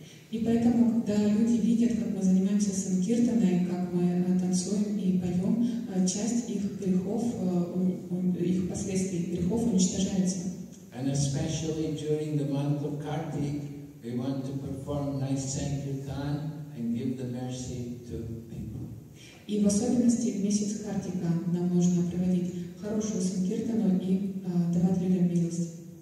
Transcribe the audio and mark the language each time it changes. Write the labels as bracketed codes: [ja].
[ru] И поэтому, когда люди видят, как мы занимаемся Санкиртаной, как мы танцуем и поем, часть их грехов, их последствий грехов уничтожается. [en] And especially during the month of Kartik, we want to perform nice Sankirtan and give the mercy to people. [ru] И в особенности в месяц Картика нам нужно проводить хорошую Санкиртану и давать людям милость.